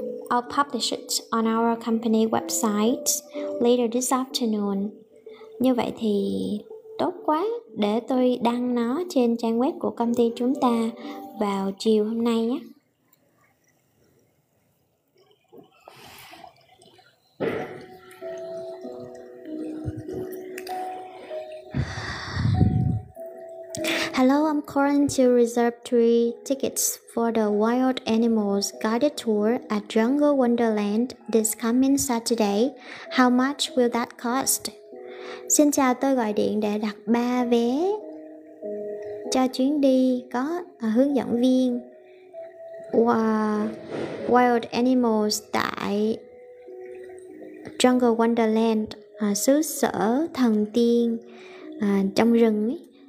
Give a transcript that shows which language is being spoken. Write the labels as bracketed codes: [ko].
[en] I'll publish it on our company website later this afternoon. [vi] Như vậy thì tốt quá, để tôi đăng nó trên trang web của công ty chúng ta vào chiều hôm nay nhé. [en] Hello, I'm calling to reserve 3 tickets for the Wild Animals Guided Tour at Jungle Wonderland this coming Saturday. How much will that cost? [vi] Xin chào, tôi gọi điện để đặt 3 vé cho chuyến đi có hướng dẫn viên Wild Animals tại Jungle Wonderland, xứ sở thần tiên trong rừng ấy.